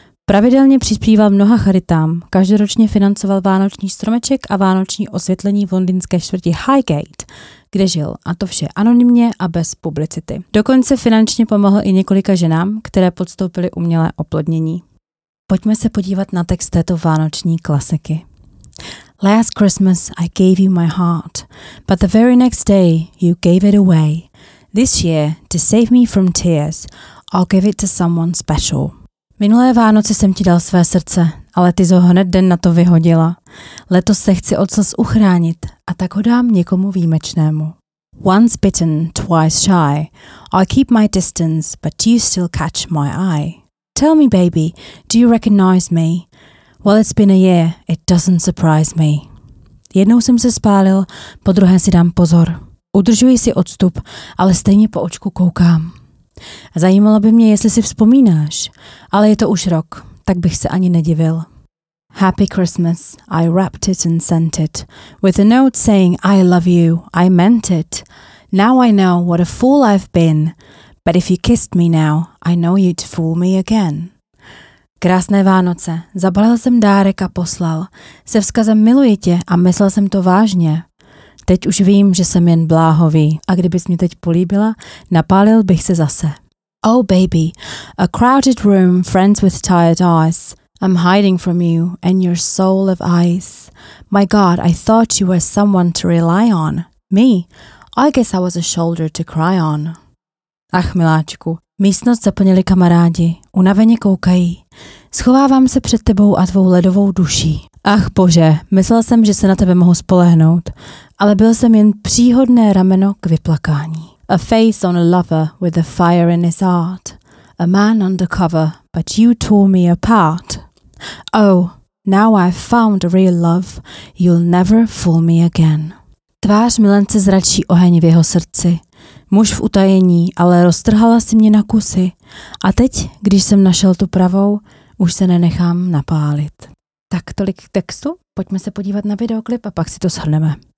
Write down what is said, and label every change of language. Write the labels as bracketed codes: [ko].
[cs] Pravidelně přispíval mnoha charitám, každoročně financoval vánoční stromeček a vánoční osvětlení v londýnské čtvrti Highgate, kde žil, a to vše anonymně a bez publicity. Dokonce finančně pomohl i několika ženám, které podstoupily umělé oplodnění. Pojďme se podívat na text této vánoční klasiky. [en] Last Christmas I gave you my heart, but the very next day you gave it away. This year, to save me from tears, I'll give it to someone special. [cs] Minulé Vánoce jsem ti dal své srdce, ale ty ho hned den na to vyhodila. Letos se chci od slz uchránit a tak ho dám někomu výjimečnému. [en] Once bitten, twice shy, I keep my distance, but you still catch my eye. Tell me, baby, do you recognize me? Well, it's been a year, it doesn't surprise me. [cs] Jednou jsem se spálil, po druhé si dám pozor. Udržuji si odstup, ale stejně po očku koukám. Zajímalo by mě, jestli si vzpomínáš, ale je to už rok, tak bych se ani nedivil. [en] Happy Christmas, I wrapped it and sent it, with a note saying I love you, I meant it. Now I know what a fool I've been, but if you kissed me now, I know you'd fool me again. [cs] Krásné Vánoce, zabalil jsem dárek a poslal, se vzkazem miluji tě a myslel jsem to vážně. Teď už vím, že jsem jen bláhový a kdybys mě teď políbila, napálil bych se zase. [en] Oh baby, a crowded room, friends with tired eyes. I'm hiding from you and your soul of ice. My God, I thought you were someone to rely on. Me? I guess I was a shoulder to cry on. [cs] Ach, miláčku, místnost zaplnili kamarádi. Unaveně koukají. Schovávám se před tebou a tvou ledovou duší. Ach, bože, myslel jsem, že se na tebe mohu spolehnout. Ale byl jsem jen příhodné rameno k vyplakání. [en] A face on a lover with a fire in his heart. A man undercover, but you tore me apart. Oh, now I've found a real love, you'll never fool me again. [cs] Tvář milence zračí oheň v jeho srdci. Muž v utajení, ale roztrhala si mě na kusy. A teď, když jsem našel tu pravou, už se nenechám napálit. Tak tolik k textu, pojďme se podívat na videoklip a pak si to shrneme.